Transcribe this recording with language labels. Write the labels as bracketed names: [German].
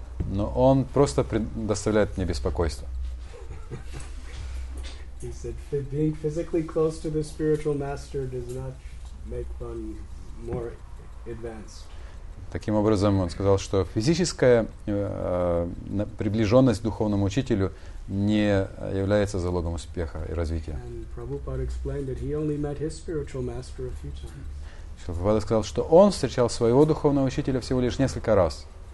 [Russian] Но он просто доставляет мне беспокойство. [English] He said, being physically close to the spiritual master does not make one more advanced. [Russian] Таким образом, он сказал, что физическая приближенность к духовному учителю не является залогом успеха и развития. [English] And Prabhupada explained that he only met his spiritual master a few times. [Russian] Шилпапада сказал, что он встречал своего духовного учителя всего лишь несколько раз.